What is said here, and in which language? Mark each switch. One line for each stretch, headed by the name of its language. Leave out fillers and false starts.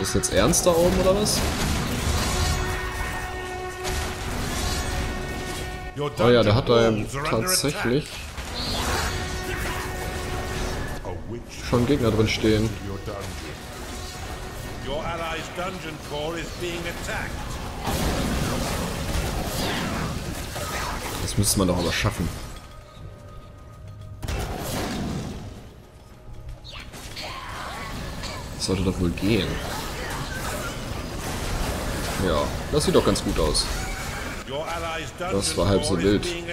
German: das jetzt ernst da oben, oder was? Oh ja, der hat da tatsächlich... schon Gegner drin stehen.
English: Your allies dungeon core is being attacked.
German: Das müsste man doch aber schaffen. Das sollte doch wohl gehen. Ja, das sieht doch ganz gut aus. Das war halb so wild.